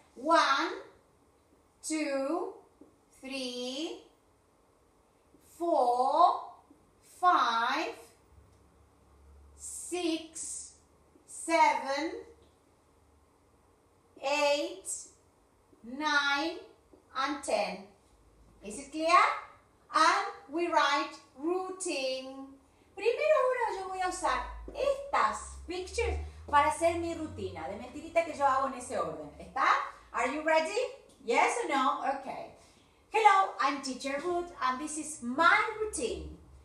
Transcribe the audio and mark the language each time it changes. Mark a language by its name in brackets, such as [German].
[English] One, two, three, four, five, six, seven, 8, 9, and 10. Is it clear? And we write routine. [Spanish] Primero ahora yo voy a usar estas pictures para hacer mi rutina de mentirita que yo hago en ese orden. [English] ¿Está? Are you ready? Yes or no? Okay. Hello, I'm Teacher Hood, and this is my routine.